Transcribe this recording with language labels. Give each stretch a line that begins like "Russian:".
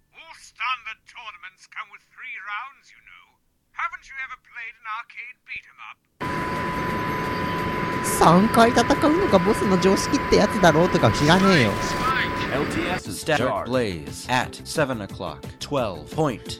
English: All standard tournaments come with three rounds, you know. Haven't you ever played an arcade beat 'em up?
Japanese: 三回戦うのがボスの常識ってやつだろうとか知らねえよ。 LTS is start blaze at 7 o'clock 12.1